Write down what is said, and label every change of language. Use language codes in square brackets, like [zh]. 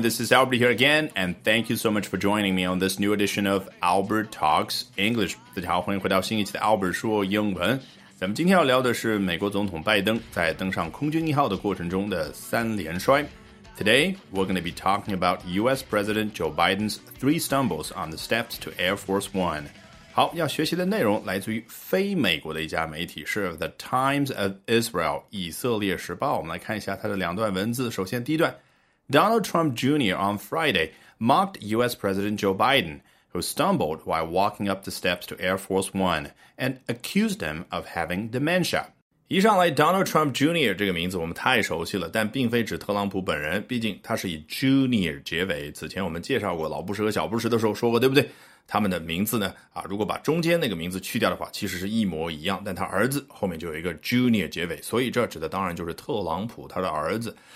[en] This is Albert here again, and thank you so much for joining me on this new edition of Albert Talks English. [zh] 大家好，欢迎回到新一期的 Albert 说英文。咱们今天要聊的是美国总统拜登在登上空军一号的过程中的三连摔。 [en] Today, we're going to be talking about U.S. President Joe Biden's three stumbles on the steps to Air Force One. [zh] 好，要学习的内容来自于非美国的一家媒体，是 The Times of Israel, 以色列时报。我们来看一下它的两段文字。首先，第一段。 [en] Donald Trump Jr. on Friday mocked U.S. President Joe Biden, who stumbled while walking up the steps to Air Force One, and accused him of having dementia. [zh] 一上来 ,Donald Trump Jr. 这个名字我们太熟悉了，但并非指特朗普本人，毕竟他是以 Jr. 结尾，此前我们介绍过老布什和小布什的时候说过，对不对？他们的名字呢，如果把中间那个名字去掉的话，其实是一模一样，但他儿子后面就有一个 Junior 结尾，所以这指的当然就是特朗普他的儿子。